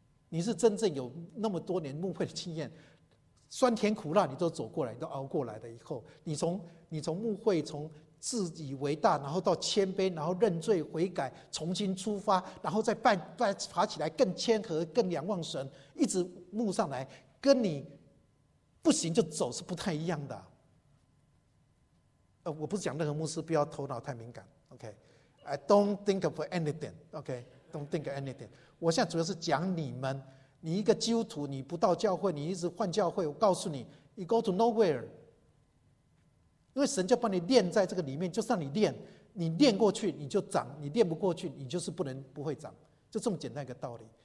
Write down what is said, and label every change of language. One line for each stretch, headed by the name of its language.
Chinese: 你是真正有那么多年牧会的经验，酸甜苦辣你都走过来，你都熬过来的。以后你从牧会，从自以为大，然后到谦卑，然后认罪悔改，重新出发，然后再爬起来，更谦和，更仰望神，一直牧上来，跟你不行就走是不太一样的。我不是讲任何牧师不要头脑太敏感 ，OK。
English: I don't think of anything, OK? Don't think of anything.
Chinese: 我现在主要是讲你们，你一个基督徒，你不到教会，你一直换教会，我告诉你 ，
English: you go to nowhere.
Chinese: 因为神就把你练在这个里面，就让你练，你练过去你就长，你练不过去你就是不会长，就这么简单一个道理。